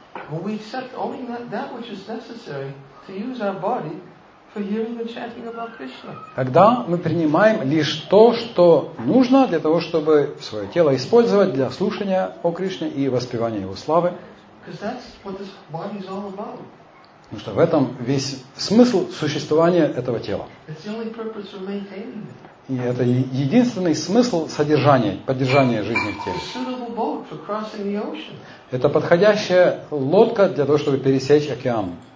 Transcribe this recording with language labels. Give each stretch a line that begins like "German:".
English: We accept only that which is necessary to use our body for hearing and chanting about Krishna.
Russian: Тогда мы принимаем лишь то, что нужно для того, чтобы свое тело использовать для слушания о Кришне и воспевания Его славы.
English: Because that's what this body is all about.
Russian: Потому что в этом весь смысл существования этого тела.
English: It's the only purpose of maintaining it.
Russian: И это единственный смысл содержания, поддержания жизни в теле. Это подходящая лодка для того, чтобы пересечь океан.